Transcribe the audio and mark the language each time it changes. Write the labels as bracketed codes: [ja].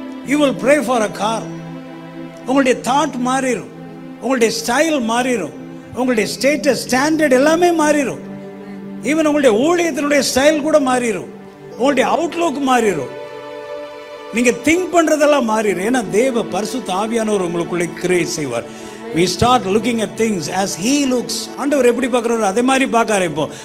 [en] You will pray for a car. [ta] உங்களுடைய thought மாறிடும், உங்களுடைய ஸ்டைல் மாறிடும், உங்களுடைய ஸ்டேட்டஸ் ஸ்டாண்டர்ட் எல்லாமே மாறிடும். ஈவன் உங்களுடைய ஊழியத்தினுடைய ஸ்டைல் கூட மாறிடும், உங்களுடைய அவுட்லுக் மாறிடும். நீங்க திங்க் பண்றதெல்லாம் மாறிடும். ஏன்னா தேவ பரிசுத்த ஆவியானவர் உங்களுக்குள்ளே கிரியேட் செய்வார். [en] We start looking at things as he looks. [ta] ஆண்டவர் எப்படி பார்க்கறாரோ அதே மாதிரி பார்க்க ஆரம்பிப்போம்.